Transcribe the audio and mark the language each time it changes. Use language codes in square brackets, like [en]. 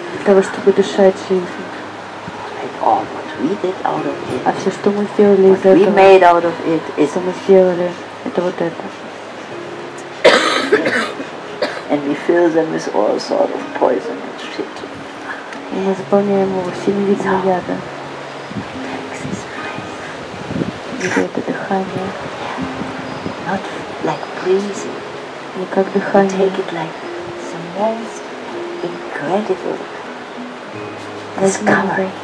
[ru] Для того, чтобы дышать жизнь. А все, что мы сделали из этого, что мы сделали, это вот это. [en] And we fill them with all sort of poison and shit. [ru] И мы заполняем его всеми видами яда. Где это дыхание? [en] Not like breathing. [ru] Не как дыхание. [en] Take it like the most incredible discovery.